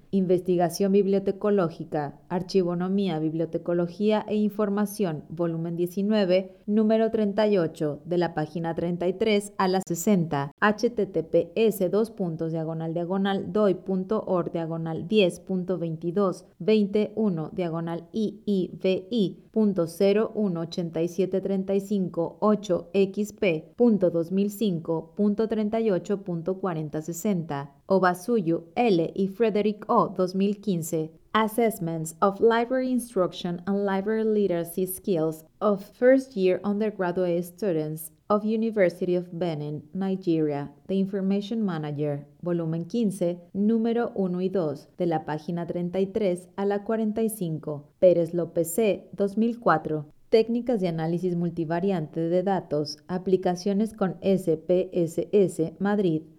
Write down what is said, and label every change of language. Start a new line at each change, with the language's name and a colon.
Spanish: Investigación bibliotecológica, Archivonomía, Bibliotecología e Información, volumen 19, número 38, de la página 33 a la 60, https://doi.org/10.22/21-iivi.0185358xp.2005.38.4060. Obasuyu L. y Frederick O. 2015.
English: Assessments of Library Instruction and Library Literacy Skills of First Year Undergraduate Students of University of Benin, Nigeria.
Spanish: The Information Manager, volumen 15, número 1 y 2, de la página 33 a la 45. Pérez López C. 2004. Técnicas de análisis multivariante de datos. Aplicaciones con SPSS, Madrid.